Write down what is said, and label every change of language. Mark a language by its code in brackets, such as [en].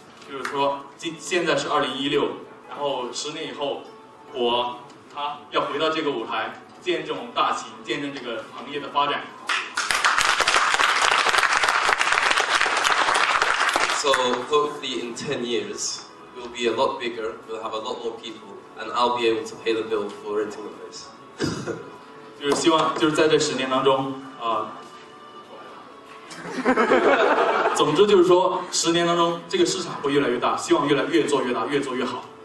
[zh] 就是说，现在是2016，然后十年以后，我他要回到这个舞台，见证大秦，见证这个行业的发展。 [en] So hopefully in 10 years, we'll be a lot bigger, we'll have a lot more people, and I'll be able to pay the bill for renting the place. [zh] 就是希望，就是在这十年当中，总之就是说，十年当中，这个市场会越来越大，希望越来越做越大，越做越好。